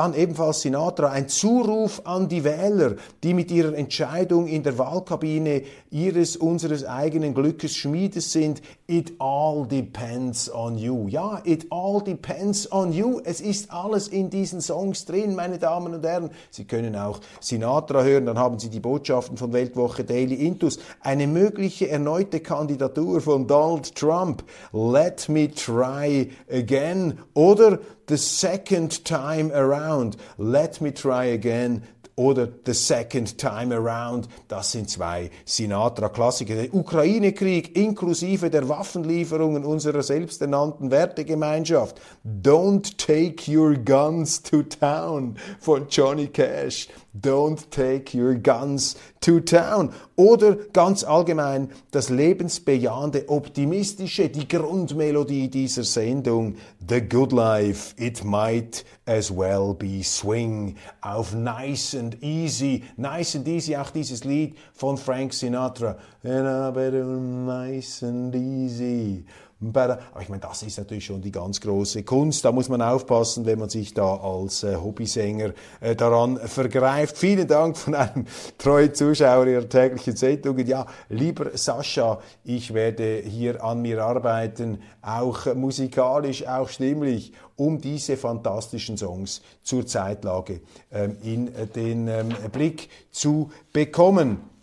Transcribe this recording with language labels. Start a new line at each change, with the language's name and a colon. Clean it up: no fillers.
German: Dann ebenfalls Sinatra, ein Zuruf an die Wähler, die mit ihrer Entscheidung in der Wahlkabine ihres, unseres eigenen Glückes Schmiedes sind,
English: It all depends on you.
German: Ja,
English: it all depends on you.
German: Es ist alles in diesen Songs drin, meine Damen und Herren. Sie können auch Sinatra hören, dann haben Sie die Botschaften von Weltwoche Daily Intus. Eine mögliche erneute Kandidatur von Donald Trump.
English: Let me try again.
German: Oder
English: the second time around. Let me try again.
German: Oder The Second Time Around, das sind zwei Sinatra-Klassiker. Der Ukraine-Krieg inklusive der Waffenlieferungen unserer selbsternannten Wertegemeinschaft.
English: Don't Take Your Guns to Town von Johnny Cash. Don't Take Your Guns to Town.
German: Oder ganz allgemein das lebensbejahende, optimistische, die Grundmelodie dieser Sendung.
English: The Good Life, It Might As Well Be Swing.
German: Auf Nice and Easy. Nice and Easy, auch dieses Lied von Frank Sinatra.
English: And I better nice and easy.
German: Aber ich meine, das ist natürlich schon die ganz große Kunst. Da muss man aufpassen, wenn man sich da als Hobbysänger daran vergreift. Vielen Dank von einem treuen Zuschauer Ihrer täglichen Sendung. Ja, lieber Sascha, ich werde hier an mir arbeiten, auch musikalisch, auch stimmlich, um diese fantastischen Songs zur Zeitlage in den Blick zu bekommen.